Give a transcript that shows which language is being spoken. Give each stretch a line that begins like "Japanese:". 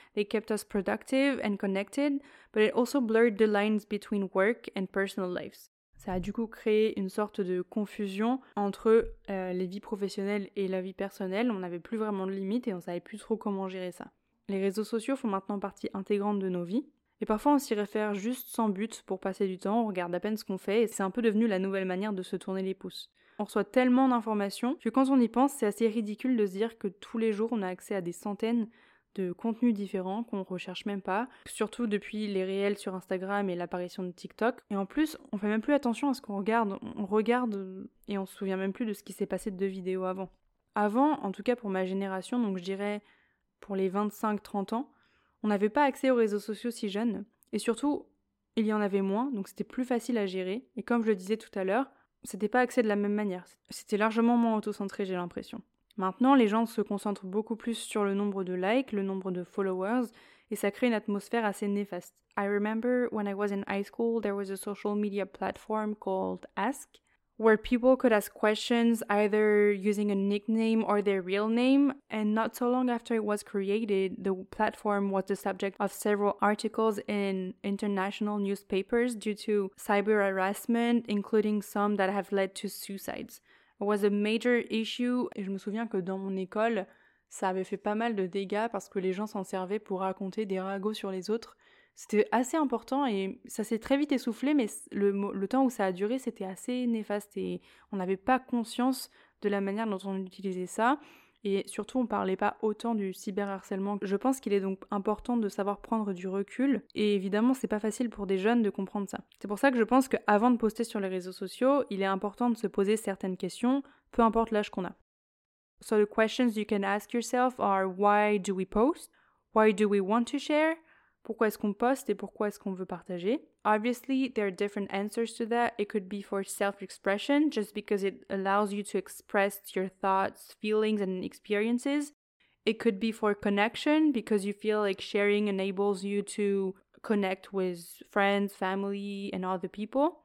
English: They kept us productive and connected, but it also blurred the lines between work and personal lives.
French: Ça a du coup créé une sorte de confusion entre les vies professionnelles et la vie personnelle. On n'avait plus vraiment de limites et on savait plus trop comment gérer ça. Les réseaux sociaux font maintenant partie intégrante de nos vies. Et parfois, on s'y réfère juste sans but pour passer du temps, on regarde à peine ce qu'on fait, et c'est un peu devenu la nouvelle manière de se tourner les pouces. On reçoit tellement d'informations que quand on y pense, c'est assez ridicule de se dire que tous les jours, on a accès à des centaines de contenus différents qu'on recherche même pas, surtout depuis les réels sur Instagram et l'apparition de TikTok. Et en plus, on fait même plus attention à ce qu'on regarde. On regarde et on se souvient même plus de ce qui s'est passé de deux vidéos avant. Avant, en tout cas pour ma génération, donc je dirais pour les 25-30 ans, on n'avait pas accès aux réseaux sociaux si jeunes, et surtout, il y en avait moins, donc c'était plus facile à gérer, et comme je le disais tout à l'heure, c'était pas accès de la même manière. C'était largement moins auto-centré, j'ai l'impression. Maintenant, les gens se concentrent beaucoup plus sur le nombre de likes, le nombre de followers, et ça crée une atmosphère assez néfaste.
English: I remember when I was in high school, there was a social media platform called Ask, where people could ask questions either using a nickname or their real name. And not so long after it was created, the platform was the subject of several articles in international newspapers due to cyber harassment, including some that have led to suicides. It was a major issue.
French: Et je me souviens que dans mon école, ça avait fait pas mal de dégâts parce que les gens s'en servaient pour raconter des ragots sur les autres. C'était assez important et ça s'est très vite essoufflé, mais le temps où ça a duré, c'était assez néfaste et on n'avait pas conscience de la manière dont on utilisait ça. Et surtout, on ne parlait pas autant du cyberharcèlement. Je pense qu'il est donc important de savoir prendre du recul et évidemment, c'est pas facile pour des jeunes de comprendre ça. C'est pour ça que je pense qu'avant de poster sur les réseaux sociaux, il est important de se poser certaines questions, peu importe l'âge qu'on a.
English: So the questions you can ask yourself are why do we post? Why do we want to share?
French: Pourquoi est-ce qu'on poste et pourquoi est-ce qu'on veut partager?
English: Obviously, there are different answers to that. It could be for self-expression, just because it allows you to express your thoughts, feelings, and experiences. It could be for connection, because you feel like sharing enables you to connect with friends, family, and other people.